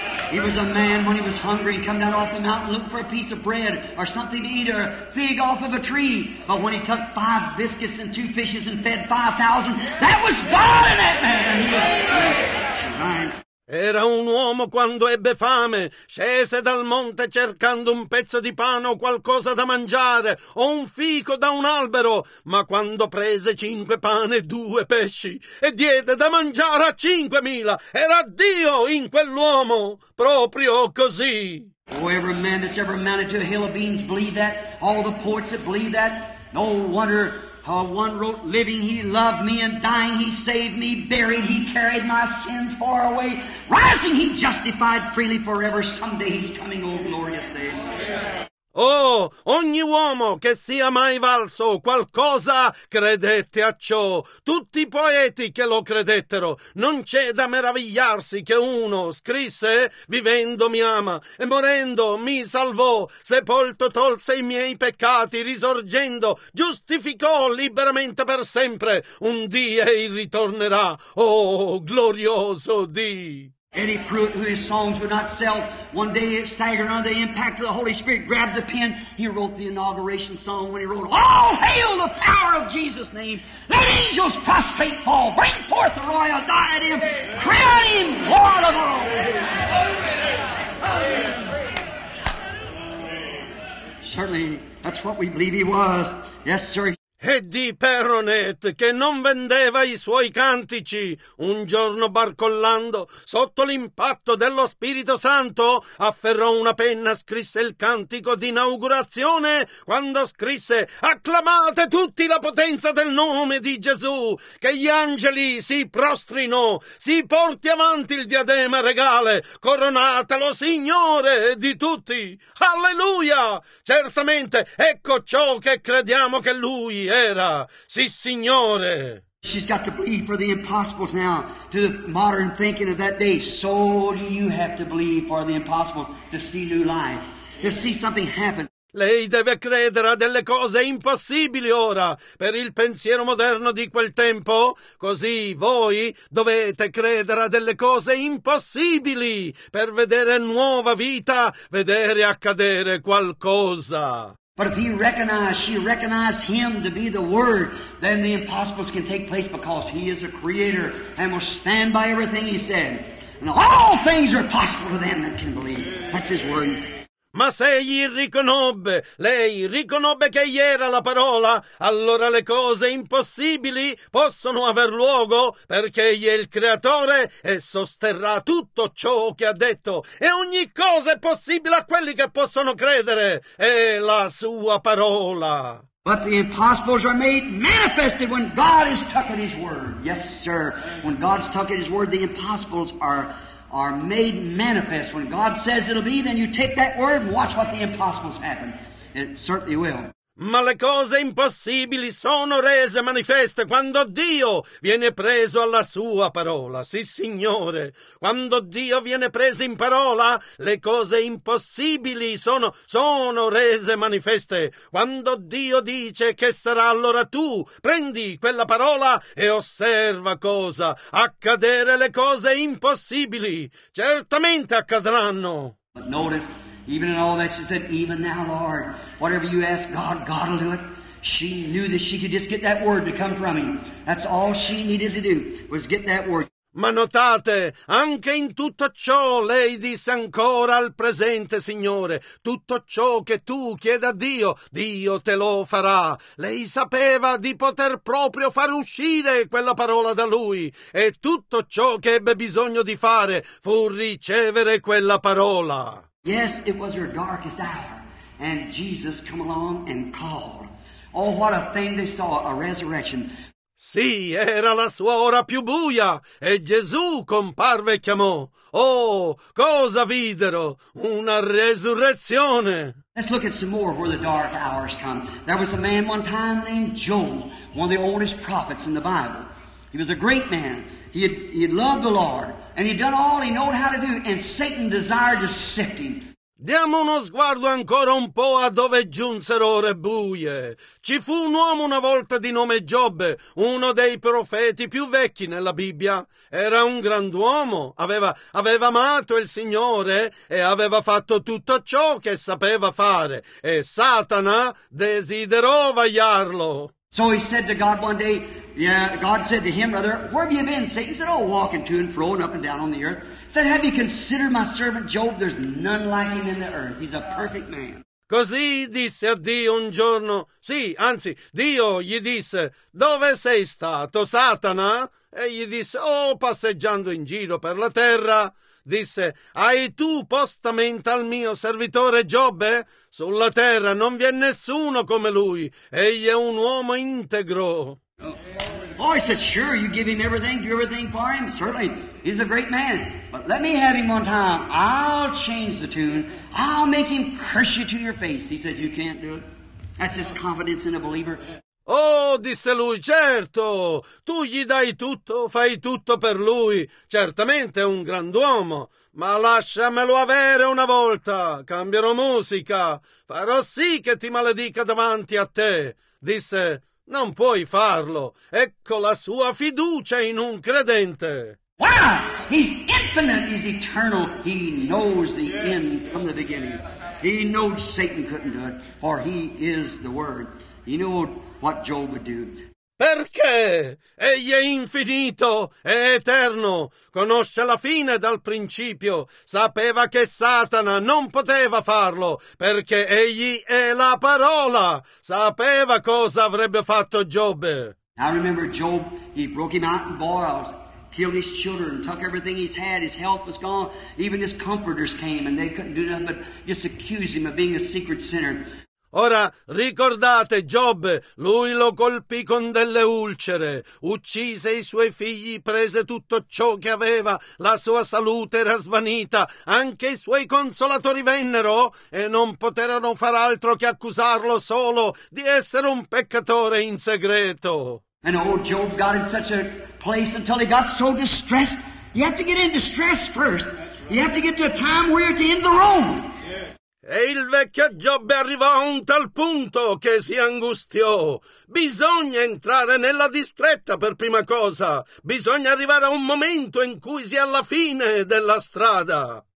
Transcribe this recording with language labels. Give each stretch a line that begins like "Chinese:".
English: He was a man when he was hungry, he come down off the mountain, looked for a piece of bread or something to eat or a fig off of a tree. But when he took 5 biscuits and 2 fishes and fed 5,000, that was God in that man. He was right.
Italian: Era un uomo quando ebbe fame, scese dal monte cercando un pezzo di pane o qualcosa da mangiare o un fico da un albero, ma quando prese 5 pane e 2 pesci e diede da mangiare a 5.000, era Dio in quell'uomo, proprio così.
English: Oh, every man that's ever mounted to a hill of beans believe that, all the poets that believe that, no wonder. One wrote, living he loved me, and dying he saved me, buried he carried my sins far away, rising he justified freely forever, someday he's coming, oh glorious day.
Italian: Oh, ogni uomo che sia mai valso qualcosa credette a ciò. Tutti i poeti che lo credettero. Non c'è da meravigliarsi che uno scrisse: vivendo mi ama e morendo mi salvò. Sepolto tolse i miei peccati, risorgendo giustificò liberamente per sempre. Un dì egli ritornerà. Oh, glorioso dì!
English: Eddie Pruitt, who his songs would not sell, one day it staggered under the impact of the Holy Spirit, grabbed the pen. He wrote the inauguration song when he wrote, "All hail the power of Jesus' name. Let angels prostrate fall. Bring forth the royal diadem. Crown him Lord of all." Certainly, that's what we believe he was. Yes, sir.
Italian: Eddie Perronet, che non vendeva i suoi cantici, un giorno barcollando sotto l'impatto dello Spirito Santo, afferrò una penna, scrisse il cantico d'inaugurazione, quando scrisse: acclamate tutti la potenza del nome di Gesù, che gli angeli si prostrino, si porti avanti il diadema regale, coronatelo Signore di tutti. Alleluia! Certamente, ecco ciò che crediamo che Lui era, sì Signore.
English: She's got to believe for the impossibles now, to the modern thinking of that day. So do you have to believe for the impossible to see new life, to see something happen.
Italian: Lei deve credere a delle cose impossibili ora, per il pensiero moderno di quel tempo. Così voi dovete credere a delle cose impossibili per vedere nuova vita, vedere accadere qualcosa.
English: But if he recognized, she recognized him to be the Word, then the impossibles can take place because he is a creator and will stand by everything he said. And all things are possible to them that can believe. That's his Word.
Italian: Ma se egli riconobbe, lei riconobbe che egli era la parola, allora le cose impossibili possono aver luogo, perché egli è il creatore e sosterrà tutto ciò che ha detto. E ogni cosa è possibile a quelli che possono credere. È la sua parola.
English: But the impossibles are made manifested when God is stuck in his word. Yes, sir. When God's stuck in his word, the impossibles are made manifest. When God says it'll be, then you take that word and watch what the impossibles happen. It certainly will.
Italian: Ma le cose impossibili sono rese manifeste quando Dio viene preso alla sua parola. Sì, Signore. Quando Dio viene preso in parola, le cose impossibili sono rese manifeste. Quando Dio dice che sarà, allora tu prendi quella parola e osserva cosa accadere. Le cose impossibili certamente accadranno.
English: But notice, even in all that, she said, even now, Lord, whatever you ask God, God will do it. She knew that she could just get that word to come from him. That's all she needed to do, was get that word.
Italian: Ma notate, anche in tutto ciò, lei disse ancora al presente, Signore, tutto ciò che tu chieda a Dio, Dio te lo farà. Lei sapeva di poter proprio far uscire quella parola da lui, e tutto ciò che ebbe bisogno di fare fu ricevere quella parola.
English: Yes, it was her darkest hour, and Jesus come along and called. Oh, what a thing they saw, a resurrection.
Italian: Sì, era la sua ora più buia, e Gesù comparve e chiamò. Oh, cosa videro? Una resurrezione.
English: Let's look at some more where the dark hours come. There was a man one time named Job, one of the oldest prophets in the Bible. He was a great man. He had loved the Lord, and he'd done all he knew how to do, and Satan desired to sift him.
Italian: Diamo uno sguardo ancora un po' a dove giunsero ore buie. Ci fu un uomo una volta di nome Giobbe, uno dei profeti più vecchi nella Bibbia. Era un grand'uomo, aveva amato il Signore e aveva fatto tutto ciò che sapeva fare, e Satana desiderò vagliarlo.
English: So he said to God one day, God said to him, rather, where have you been, Satan? He said, oh, walking to and fro and up and down on the earth. He said, have you considered my servant Job? There's none like him in the earth. He's a perfect man.
Italian: Così disse a Dio un giorno, sì, anzi, Dio gli disse, dove sei stato, Satana? E gli disse, oh, passeggiando in giro per la terra. Disse, hai tu posta mente al mio servitore Giobbe? Sulla terra non vi è nessuno come lui, egli è un uomo integro. Oh.
English: Oh, he said, sure, you give him everything, do everything for him. Certainly, he's a great man. But let me have him one time. I'll change the tune. I'll make him curse you to your face. He said, you can't do it. That's his confidence in a believer.
Italian: Oh, disse lui, certo, tu gli dai tutto, fai tutto per lui. Certamente è un grand'uomo, ma lasciamelo avere una volta. Cambierò musica, farò sì che ti maledica davanti a te. Disse, non puoi farlo. Ecco la sua fiducia in un credente.
English: Wow, he's infinite, he's eternal. He knows the end from the beginning. He knows Satan couldn't do it, for he is the word. He knew what Job would do.
Italian: Perché? Egli è infinito, è eterno, conosce la fine dal principio, sapeva che Satana non poteva farlo, perché egli è la parola, sapeva cosa avrebbe fatto Giobbe.
English: I remember Job, he broke him out in boils, killed his children, took everything he's had, his health was gone, even his comforters came and they couldn't do nothing but just accuse him of being a secret sinner.
Italian: Ora, ricordate Giobbe, lui lo colpì con delle ulcere, uccise i suoi figli, prese tutto ciò che aveva, la sua salute era svanita, anche i suoi consolatori vennero e non poterono far altro che accusarlo solo di essere un peccatore in segreto.
English: And old Job got in such a place until he got so distressed, you have to get in distress first, you have to get to a time where you're in the room.
Italian: E il vecchio Giobbe arrivò a un tal punto che si angustiò. Bisogna entrare nella distretta per prima cosa. Bisogna arrivare a un momento in cui si è alla fine della strada.